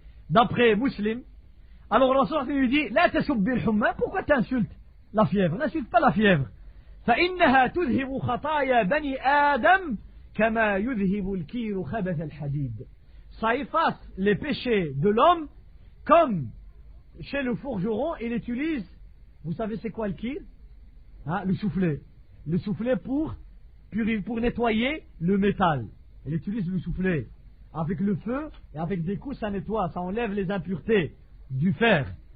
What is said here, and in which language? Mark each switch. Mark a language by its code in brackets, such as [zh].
[fr] D'après Muslim, alors Rasul lui dit, [ar] la tasubbil humma, [fr] pourquoi tu insultes la fièvre? N'insulte pas la fièvre. [ar] فإنها تذهب خطايا بني آدم كما يذهب الكير خبث الحديد. [fr] Ça efface les péchés de l'homme comme chez le forgeron il utilise, vous savez c'est quoi le kir? Hein, le soufflet pour pour nettoyer le métal. Elle utilise le soufflet. Avec le feu et avec des coups, ça nettoie, ça enlève les impuretés du fer.